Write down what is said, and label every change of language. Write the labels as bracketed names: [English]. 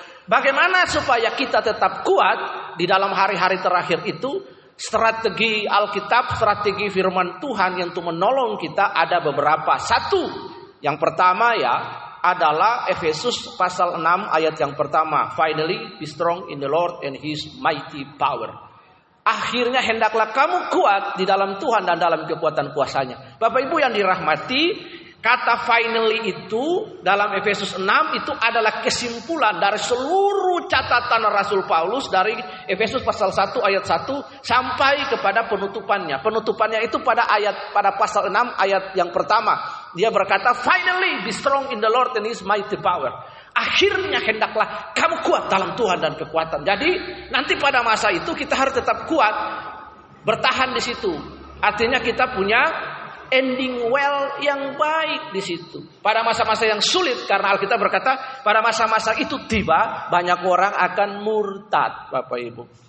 [Indonesian] Bagaimana supaya kita tetap kuat di dalam hari-hari terakhir itu? Strategi Alkitab, strategi firman Tuhan yang untuk menolong kita ada beberapa. Satu, yang pertama ya, adalah Efesus pasal 6 ayat yang pertama. [English] Finally, be strong in the Lord and his mighty power. [Indonesian] Akhirnya hendaklah kamu kuat di dalam Tuhan dan dalam kekuatan kuasanya. Bapak Ibu yang dirahmati, kata finally itu dalam Efesus 6 itu adalah kesimpulan dari seluruh catatan Rasul Paulus dari Efesus pasal 1 ayat 1 sampai kepada penutupannya. Penutupannya itu pada pasal 6 ayat yang pertama. Dia berkata, [English] finally be strong in the Lord and his mighty power. [Indonesian] Akhirnya hendaklah kamu kuat dalam Tuhan dan kekuatan. Jadi nanti pada masa itu kita harus tetap kuat, bertahan di situ. Artinya kita punya [English] ending well [Indonesian] yang baik di situ. Pada masa-masa yang sulit, karena Alkitab berkata pada masa-masa itu tiba banyak orang akan murtad, Bapak Ibu.